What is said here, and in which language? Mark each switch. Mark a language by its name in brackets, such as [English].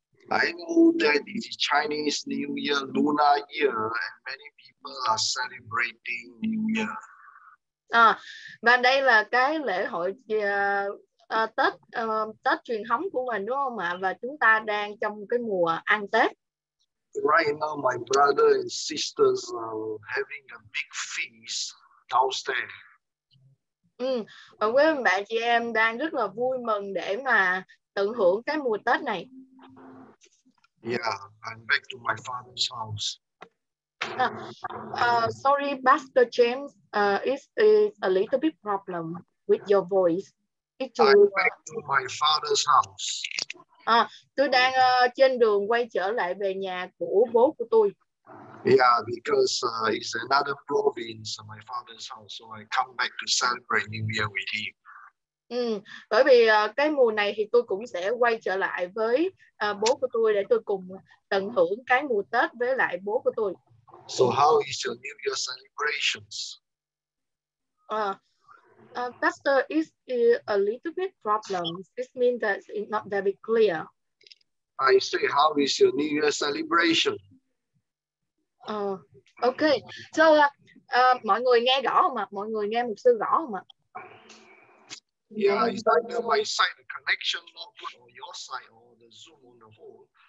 [English] I know that it is Chinese New Year, Lunar Year, and many people are celebrating New Year. [Vietnamese] Và đây là cái lễ hội Tết Tết truyền thống của mình đúng không ạ? Và chúng ta đang trong cái mùa ăn Tết. [English] Right now my brother and sisters are having a big feast downstairs. [Vietnamese] Và quý ông bà chị em đang rất là vui mừng để mà tận hưởng cái mùa Tết này. [English] Yeah, I'm back to my father's house. Sorry, Pastor James, it's a little bit problem with your voice. I'm back to my father's house. [Vietnamese] Tôi đang trên đường quay trở lại về nhà của bố của tôi. [English] Yeah, because it's another province, my father's house, so I come back to celebrate New Year with him. [Vietnamese] Bởi vì cái mùa này thì tôi cũng sẽ quay trở lại với bố của tôi để tôi cùng tận hưởng cái mùa Tết với lại bố của tôi. [English] So how is your New Year celebrations? Pastor, is it a little bit problem? This means that it's not very clear. I say, how is your New Year celebration? Okay. So, [Vietnamese] mọi người nghe rõ không ạ? Mọi người nghe mục sư rõ không ạ? [English] Yeah, it's either my side, the connection not good, or your side, or the Zoom on the whole.